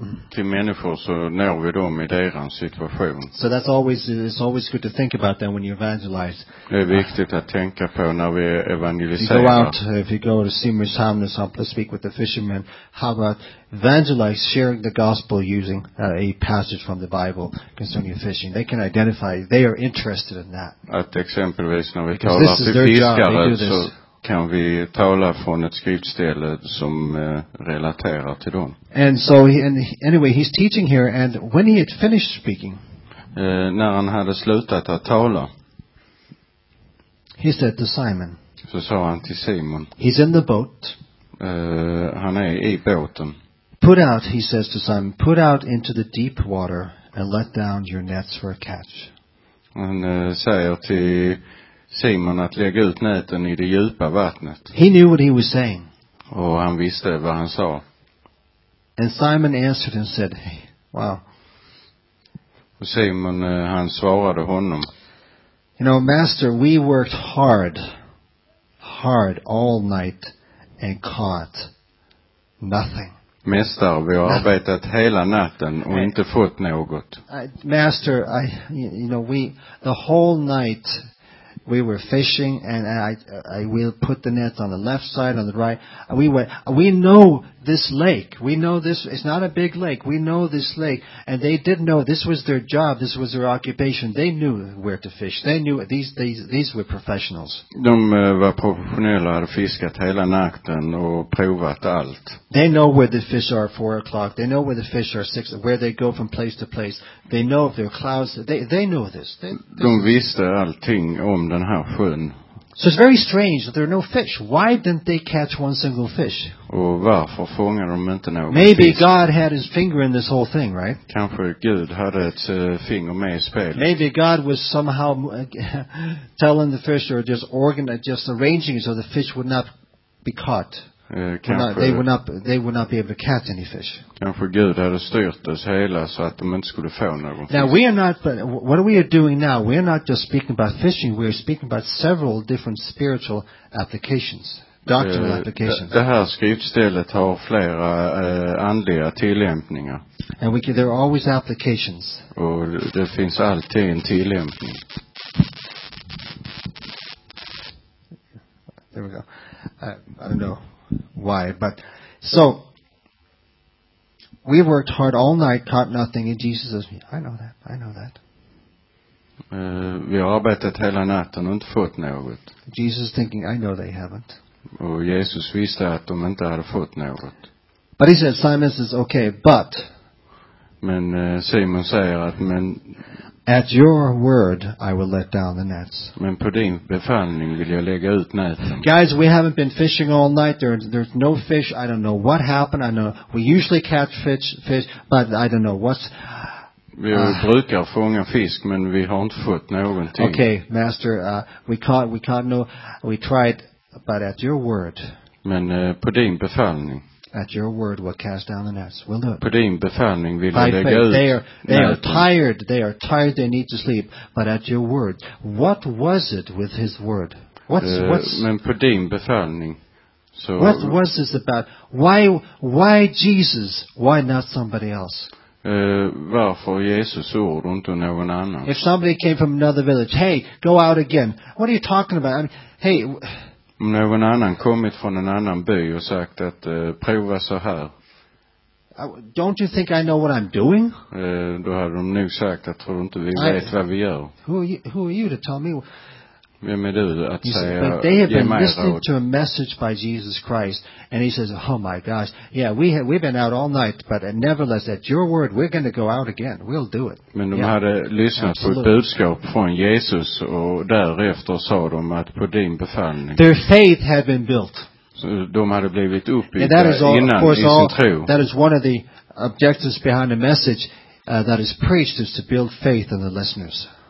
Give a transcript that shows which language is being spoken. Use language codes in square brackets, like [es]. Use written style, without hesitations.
[sv] till människor så når vi dem i deras situation. [en] So that's always, it's always good to think about that when you evangelize. [sv] Det är viktigt att tänka på när vi evangeliserar. [en] If you go out, if you go to Seymour's Hamlet, so let's speak with the fishermen. How about evangelize, sharing the gospel using a passage from the Bible concerning fishing? They can identify, they are interested in that. [sv] Att exempelvis när vi talar till fiskare så kan vi tala från ett skriftställe som relaterar till dem. [en] And so anyway, he's teaching here, and when he had finished speaking, [sv] när han hade slutat att tala, [en] he said to Simon, [sv] så sa han till Simon, [en] he's in the boat, [sv] han är i båten, [en] put out, he says to Simon, put out into the deep water and let down your nets for a catch. [sv] Han säger till Simon att lägga ut näten i det djupa vattnet. [en] He knew what he was saying. [sv] Och han visste vad han sa. [en] And Simon answered and said, hey, wow. [sv] Och Simon, han svarade honom, [en] you know, master, we worked hard all night and caught nothing. [sv] Mästare, vi har arbetat hela natten och inte fått något. [en] Master, we the whole night we were fishing, and I will put the nets on the left side, on the right. We know this lake. We know this. It's not a big lake. We know this lake. And they didn't know this was their job. This was their occupation. They knew where to fish. They knew these were professionals. [sv] De var professionella, hade fiskat hela natten och provat allt. [en] They know where the fish are at 4 o'clock. They know where the fish are at 6. Where they go from place to place. They know if there are clouds. They know this. [sv] De visste allting om den här sjön. [en] So it's very strange that there are no fish. Why didn't they catch one single fish? [sv] Och varför fångar de inte någon? [en] Maybe [sv] fisk? [en] God had his finger in this whole thing, right? [sv] Kanske Gud hade ett finger med i spelet. [en] Maybe God was somehow telling the fish, or just arranging it so the fish would not be caught. They would not be able to catch any fish. [sv] Kanske Gud hade styrt oss hela så att de inte skulle få någon fisk. [en] Now we are not, but what we are doing now, we are not just speaking about fishing, we are speaking about several different spiritual applications, doctrinal applications. [sv] Det här skriftstället har flera andliga tillämpningar. [en] And there are always applications. [sv] Och det finns alltid en tillämpning. [en] There we go. I don't know why, but so we worked hard all night, caught nothing, and Jesus says, I know that. [sv] Vi har arbetat hela natten och inte fått något. [en] Jesus thinking, I know they haven't. [sv] Och Jesus visste att de inte hade fått något. [en] But he said, Simon says, okay, but [sv] men Simon säger att men [en] at your word, I will let down the nets. [sv] Men på din befallning vill jag lägga ut näten. [en] Guys, we haven't been fishing all night. There's no fish. I don't know what happened. I know we usually catch fish, but I don't know what's. [sv] Vi brukar fånga fisk, men vi har inte fått någonting. [en] Okay, master, we caught no. We tried, but at your word. [sv] Men på din befallning. [en] At your word, we'll cast down the nets. We'll do it. [sv] På din befallning vill jag lägga ut. [en] They are tired. They are tired. They need to sleep. But at your word, what was it with his word? [sv] Men på din befallning. [en] So what was this about? Why Jesus? Why not somebody else? [sv] Varför Jesus ord och inte någon annan? [en] If somebody came from another village, hey, go out again. What are you talking about? I mean, hey. [sv] Om någon annan kommit från en annan by och sagt att prova så här. [en] Don't you think I know what I'm doing? [sv] Då hade de nu sagt att tror inte vi vet vad vi gör. [en] Who are you to tell me? [sv] Vem är du att säga? [en] But they have been listening to a message by Jesus Christ, and he says, oh my gosh, yeah, we've been out all night, but nevertheless, at your word, we're going to go out again. We'll do it. [sv] Men de hade lyssnat på ett budskap från Jesus, och därefter sa de att på din befallning. [en] Their faith had been built. [sv] De hade blivit uppbyggda innan i sin tro. [en] That is one of the objectives behind the message that is preached, is to build faith in the listeners.